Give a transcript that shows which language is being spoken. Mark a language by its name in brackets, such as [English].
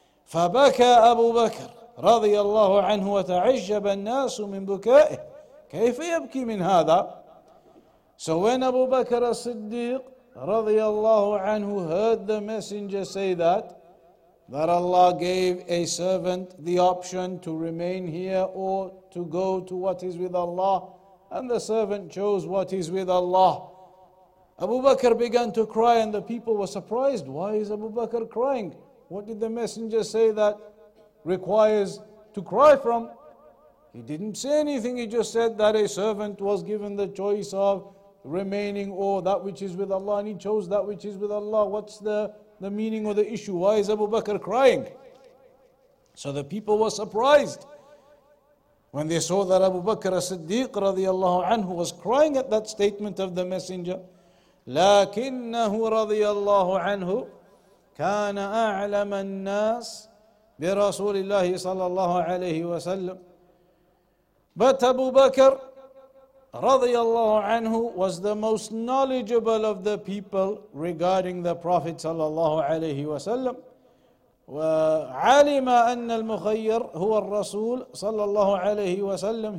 [Arabic] فَبَكَى أَبُو بَكْرٍ رَضِيَ اللَّهُ عَنْهُ وَتَعَجَّبَ النَّاسُ مِنْ بُكَائِهِ. كَيْفَ يَبْكِي مِنْ هَذَا. [English] So when Abu Bakr as-Siddiq radiyallahu anhu heard the messenger say that Allah gave a servant the option to remain here or to go to what is with Allah, and the servant chose what is with Allah, Abu Bakr began to cry, and the people were surprised. Why is Abu Bakr crying? What did the messenger say that requires to cry from? He didn't say anything. He just said that a servant was given the choice of remaining or that which is with Allah, and he chose that which is with Allah. What's the meaning or the issue? Why is Abu Bakr crying? So the people were surprised when they saw that Abu Bakr as-Siddiq radiyallahu anhu was crying at that statement of the messenger. [Arabic] لكنه radiyallahu anhu كان أعلم الناس برسول الله صلى الله عليه وسلم. [English] But Abu Bakr radiyallahu anhu was the most knowledgeable of the people regarding the Prophet sallallahu alayhi wa sallam. [Arabic] وَعَلِمَ أَنَّ الْمُخَيِّرْ هُوَ الرَّسُولُ sallallahu alayhi wa sallam.